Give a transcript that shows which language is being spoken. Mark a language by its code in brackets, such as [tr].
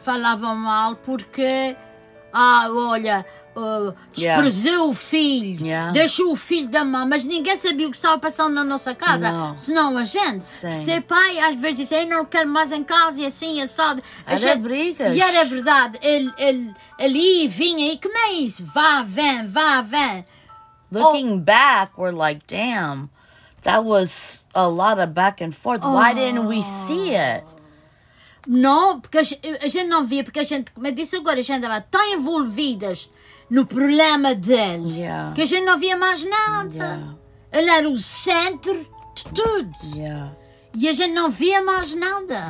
[pt] Falavam mal porque, ah, olha, desprezou o filho, deixou o filho da mãe, mas ninguém sabia o que estava passando na nossa casa, senão a gente. Sim. Teu pai às vezes disse: eu não quero mais em casa, e assim, e só. Era briga. E era verdade. Ele ia e vinha, e como é isso? Vá, vem. [en] Looking back, we're like, damn, that was a lot of back and forth. Oh. Why didn't we see it? [pt] Não, porque a gente não via, porque a gente, como eu disse agora, a gente estava tão envolvidas no problema dele, que a gente não via mais nada. [en] Yeah. [pt] Ele era o centro de tudo. [en] Yeah. [pt] E a gente não via mais nada.